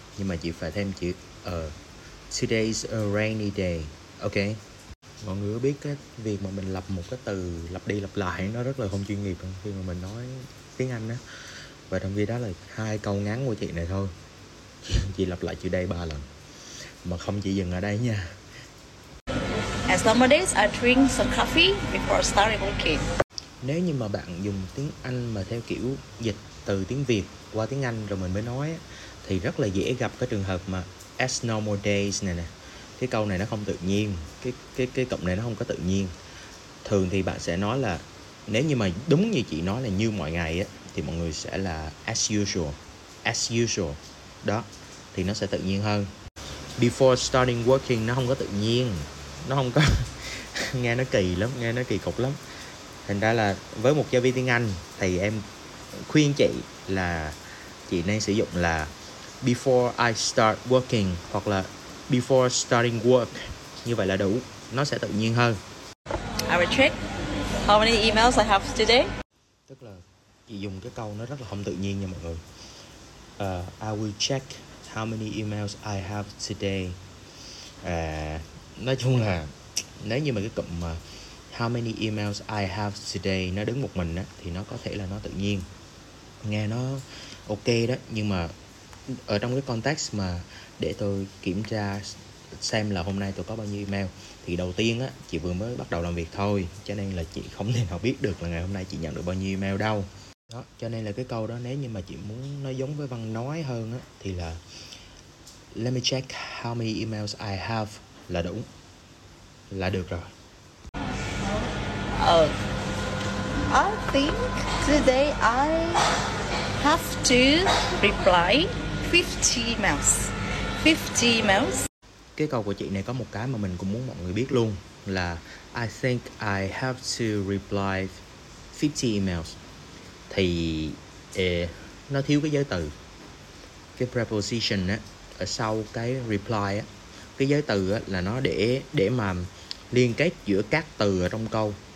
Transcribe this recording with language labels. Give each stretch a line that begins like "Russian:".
Vietnamese: Nhưng mà chị phải thêm chữ
English: Today is a rainy day. Okay.
Vietnamese: Mọi người có biết cái việc mà mình lập một cái từ lặp đi lặp lại nó rất là không chuyên nghiệp khi mà mình nói tiếng Anh á. Và trong khi đó là hai câu ngắn của chị này thôi. Chị lặp lại chữ day 3 lần. Mà không chỉ dừng ở đây nha.
English: As nowadays, I drink some coffee before starting working.
Vietnamese: Nếu như mà bạn dùng tiếng Anh mà theo kiểu dịch từ tiếng Việt qua tiếng Anh rồi mình mới nói thì rất là dễ gặp cái trường hợp mà
English: as normal days
Vietnamese: này nè. Cái câu này nó không tự nhiên, cái cụm này nó không có tự nhiên. Thường thì bạn sẽ nói là nếu như mà đúng như chị nói là như mọi ngày á thì mọi người sẽ là
English: as usual.
Vietnamese: Đó thì nó sẽ tự nhiên hơn.
English: Before starting working
Vietnamese: nó không có tự nhiên. Nó không có nghe nó kỳ lắm, nghe nó kỳ cục lắm. Thành ra là với một giáo viên tiếng Anh thì em khuyên chị là chị nên sử dụng là
English: before I start working
Vietnamese: hoặc là
English: before starting work.
Vietnamese: Như vậy là đủ, nó sẽ tự nhiên hơn.
English: I will check how many emails I have today.
Vietnamese: Tức là chị dùng cái câu nó rất là không tự nhiên nha mọi người.
English: I will check how many emails I have today.
Vietnamese: Nói chung là nếu như mà cái cụm mà
English: how many emails I have today
Vietnamese: nó đứng một mình á thì nó có thể là nó tự nhiên. Nghe nó ok đó, nhưng mà ở trong cái context mà để tôi kiểm tra xem là hôm nay tôi có bao nhiêu email thì đầu tiên á chị vừa mới bắt đầu làm việc thôi, cho nên là chị không thể nào biết được là ngày hôm nay chị nhận được bao nhiêu email đâu. Đó, cho nên là cái câu đó nếu như mà chị muốn nó giống với văn nói hơn á thì là
English: let me check how many emails I have
Vietnamese: là đúng. Là được rồi.
English: I think today I have to reply 50 emails. 50 emails.
Vietnamese: Cái câu của chị này có một cái mà mình cũng muốn mọi người biết luôn là
English: I think I have to reply 50 emails.
Vietnamese: Thì nó thiếu cái giới từ. Cái preposition á ở sau cái reply á, cái giới từ á là nó để mà liên kết giữa các từ ở trong câu.